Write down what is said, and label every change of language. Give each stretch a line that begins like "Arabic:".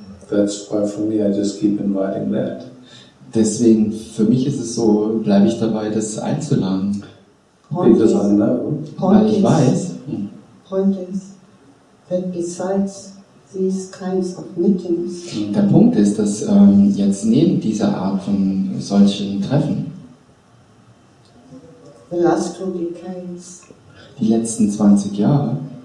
English: That's why for me I just keep inviting that.
German: Deswegen, für mich ist es so, bleibe ich dabei, das einzuladen.
English: Point because is, I know.
German: Point weil ich is, weiß.
English: Point is that besides these kinds of meetings.
German: Der Punkt ist, dass jetzt neben dieser Art von solchen Treffen.
English: The last 2 decades.
German: Die letzten 20 Jahre.